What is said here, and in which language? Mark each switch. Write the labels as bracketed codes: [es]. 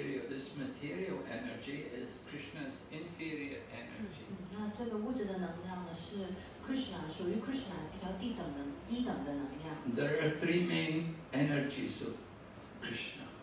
[en] This material energy is Krishna's inferior energy. [zh] 那这个物质的能量呢，是属于 Krishna 比较低等的能量。 [en] There are three main energies of Krishna.